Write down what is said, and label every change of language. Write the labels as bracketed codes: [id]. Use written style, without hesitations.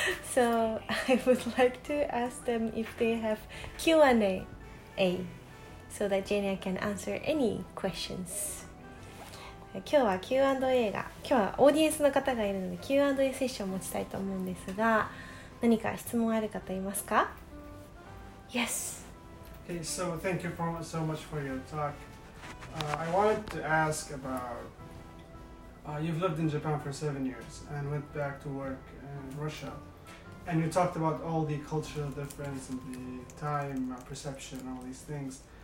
[en] So I would like to ask them if they have Q&A so that Jenya can answer any questions. [ja] 今日は Q&A が、今日はオーディエンスの方がいるので Q&A セッションを持ちたいと思うんですが、何か質問ある方いますか? [en] Yes. Okay, so thank you so much for your talk. I wanted to ask aboutyou've lived in Japan for 7 years and went back to work in Russia. And you talked about all the cultural difference and the time perception, all these things.